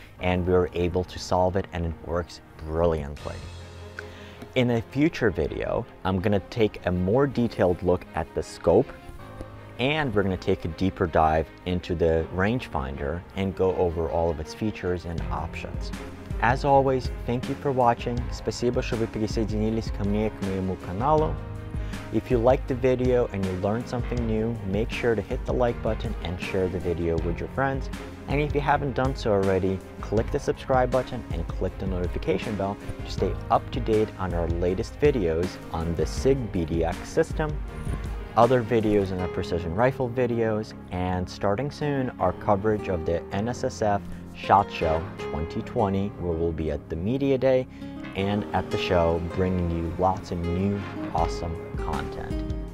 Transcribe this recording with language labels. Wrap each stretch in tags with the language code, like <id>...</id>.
<en>And we were able to solve it, and it works brilliantly. In a future video, I'm going to take a more detailed look at the scope, and we're going to take a deeper dive into the rangefinder and go over all of its features and options. As always, thank you for watching.</en> <ru>Спасибо, что вы присоединились ко мне, к моему каналу.</ru> <en>If you liked the video and you learned something new, make sure to hit the like button and share the video with your friends. And if you haven't done so already, click the subscribe button and click the notification bell to stay up to date on our latest videos on the Sig BDX system, other videos in our precision rifle videos, and starting soon, our coverage of the NSSF SHOT Show 2020, where we'll be at the media day and at the show, bringing you lots of new, awesome content.</en>